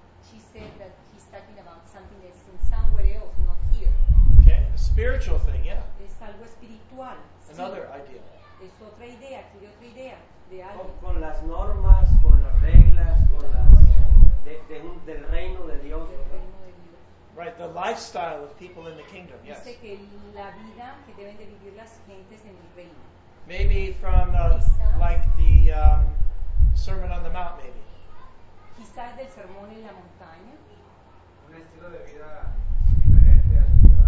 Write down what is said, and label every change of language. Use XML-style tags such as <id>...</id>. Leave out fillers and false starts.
<en>She said that he's talking about something that's in somewhere else, not here. Okay, a spiritual thing, yeah.</en> <es>Algo espiritual.</es> <en>Another</en> <es>sí.</es> <en>idea.</en> <es>Es otra idea, aquí otra idea de algo. Con las normas, con las reglas, con las del reino de Dios.</es> <en>Right, the lifestyle of people in the kingdom.</en> <es>Dice</es> <en>yes.</en> <es>Dice que la vida que deben de vivir las gentes en el reino.</es> <en>Maybe from like the Sermon on the Mount, maybe.</en> <es>Quizás del sermón en la montaña. Un estilo de vida diferente al</es>